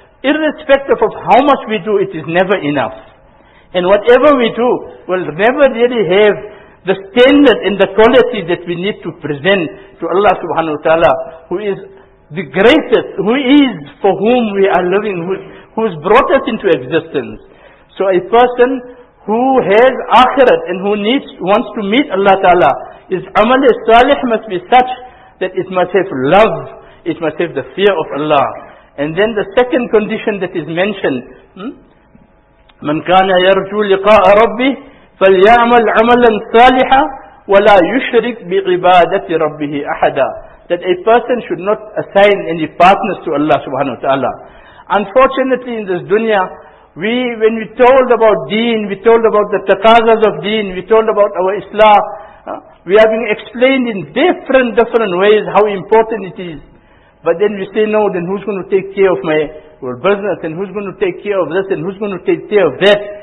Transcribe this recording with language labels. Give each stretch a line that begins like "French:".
English: Irrespective of how much we do, it is never enough. And whatever we do, will never really have the standard and the quality that we need to present to Allah subhanahu wa ta'ala, who is the greatest, who is for whom we are living, who's brought us into existence. So a person who has akhirat and who wants to meet Allah Ta'ala, his amal salih must be such that it must have love, it must have the fear of Allah. And then the second condition that is mentioned,
Arabic: مَنْ كَانَ يَرْجُو لِقَاءَ رَبِّهِ فَلْيَعْمَلْ عَمَلًا صَالِحًا وَلَا يُشْرِكْ بِعِبَادَةِ رَبِّهِ أَحَدًا.
English: That a person should not assign any partners to Allah subhanahu wa ta'ala. Unfortunately, in this dunya, when we told about deen, we told about the taqazas of deen, we told about our Islam, we are being explained in different ways how important it is. But then we say, no, then who's going to take care of my business, and who's going to take care of this, and who's going to take care of that?